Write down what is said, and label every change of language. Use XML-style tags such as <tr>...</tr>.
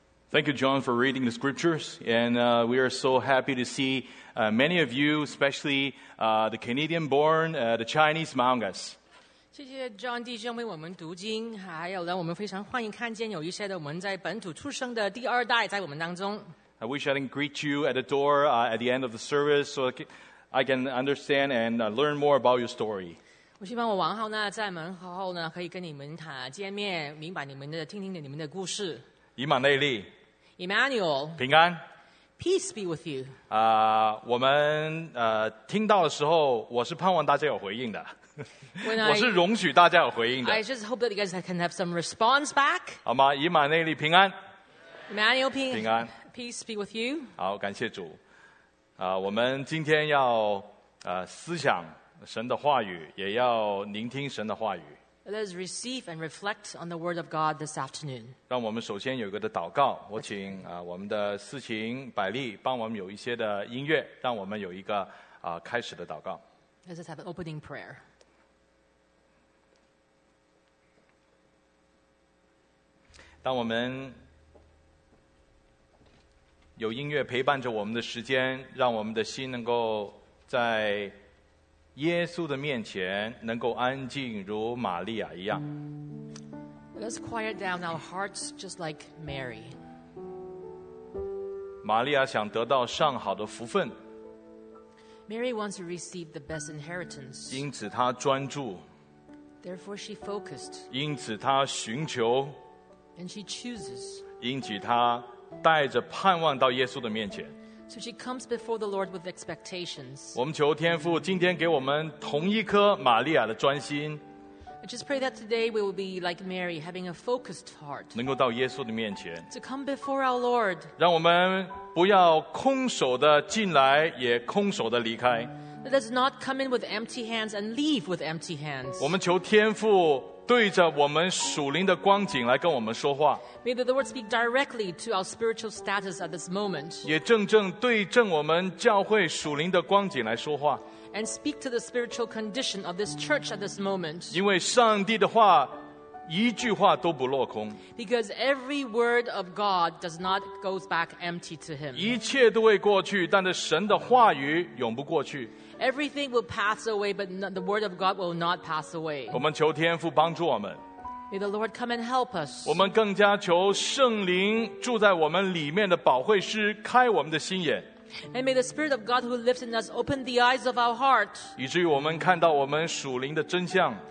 <zh>谢谢</zh> <en>John for reading the scriptures, and we are so happy to see many of you, especially the Canadian-born, the Chinese among us.</en> <zh>谢谢 John 弟兄为我们读经，还有让我们非常欢迎看见有一些的我们在本土出生的第二代在我们当中。</zh> <en>I wish I didn't greet you at the door at the end of the service, so I can understand and learn more about your story.</en> <zh>我希望我王浩呢在门后呢可以跟你们见面，明白你们的听听你们的故事。以马内利</zh> <en>Emmanuel</en> <zh>平安</zh> <en>Peace be with you</en> <zh>我们听到的时候我是盼望大家有回应的我是容许大家有回应的</zh> <en>I just hope that you guys can have some response back</en> <zh>好吗以马内利平安</zh> <en>Emmanuel</en> <zh>平安</zh> <en>Peace be with you</en> <zh>好感谢主我们今天要思想神的话语也要聆听神的话语</zh> <en>Let us receive and reflect on the word of God this afternoon.</en> <zh>让我们首先有一个的祷告。我请我们的思琴百丽帮我们有一些的音乐，让我们有一个开始的祷告。</zh> <en>Let us have an opening prayer.</en> <zh>当我们有音乐陪伴着我们的时间，让我们的心能够在。耶稣的面前能够安静如玛利亚一样</zh> <en>Let us quiet down our hearts just like Mary</en> <zh>玛利亚想得到上好的福分</zh> <en>Mary wants to receive the best inheritance</en> <zh>因此她专注</zh> <en>Therefore she focused</en> <zh>因此她寻求</zh> <en>And she chooses</en> <zh>因此她带着盼望到耶稣的面前</zh> <en>So she comes before the Lord with expectations.</en> <zh>我们求天父今天给我们同一颗玛利亚的专心。</zh> <en>I just pray that today we will be like Mary, having a focused heart.</en> <zh>能够到耶稣的面前。</zh> <en>To come before our Lord.</en> <zh>让我们不要空手的进来，也空手的离开。</zh> <en>Let us not come in with empty hands and leave with empty hands.</en> <zh>我们求天父对着我们属灵的光景来跟我们说话。</zh> <en>May the Lord speak directly to our spiritual status at this moment.</en> <zh>也正正对正我们教会属灵的光景来说话。</zh> <en>And speak to the spiritual condition of this church at this moment.</en> <zh>因为上帝的话一句话都不落空。</zh> <en>Because every word of God does not go back empty to him.</en> <zh>一切都会过去，但是神的话语永不过去。</zh> <en>Everything will pass away, but the word of God will not pass away.</en> <zh>我们求天父帮助我们。</zh> <en>May the Lord come and help us.</en> <zh>我们更加求圣灵住在我们里面的保惠师开我们的心眼。</zh> <en>And may the Spirit of God who lives in us open the eyes of our heart.</en> <zh>以至于我们看到我们属灵的真相。</zh>